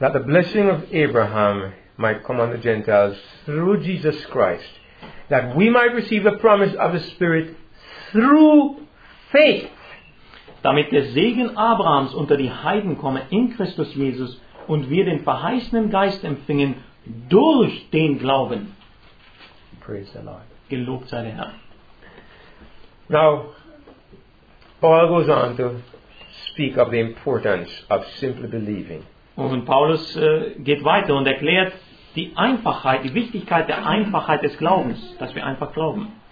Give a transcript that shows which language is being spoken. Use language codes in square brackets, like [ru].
[en] That the blessing of Abraham might come on the Gentiles through Jesus Christ, that we might receive the promise of the Spirit through faith. [de] Damit der Segen Abrahams unter die Heiden komme in Christus Jesus und wir den verheißenen Geist empfingen durch den Glauben. [en] Praise the Lord. [de] Gelobt sei der Herr. [en] Now, Paul goes on to speak of the importance of simply believing. [de] Und Paulus geht weiter und erklärt die Einfachheit, die Wichtigkeit der Einfachheit des Glaubens, dass wir einfach glauben.